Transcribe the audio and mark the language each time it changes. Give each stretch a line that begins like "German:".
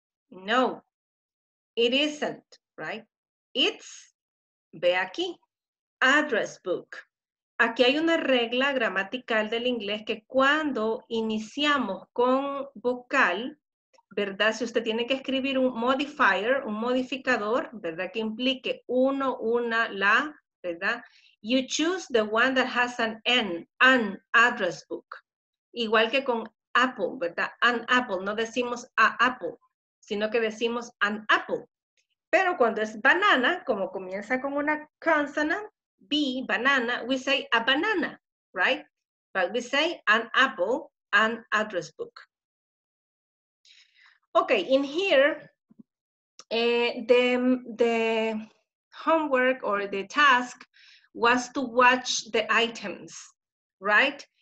English: No, it isn't, right? It's,
Spanish: ve aquí,
English: address book.
Spanish: Aquí hay una regla gramatical del inglés que cuando iniciamos con vocal, ¿verdad? Si usted tiene que escribir un modifier, un modificador, ¿verdad? Que implique uno, una, la, ¿verdad?
English: You choose the one that has an address book.
Spanish: Igual que con apple, ¿verdad? An apple, no decimos a apple, sino que decimos an apple. Pero cuando es banana, como comienza con una consonant,
English: B, banana, we say a banana, right? But we say an apple, an address book. Okay, in here, the homework or the task was to watch the items, right?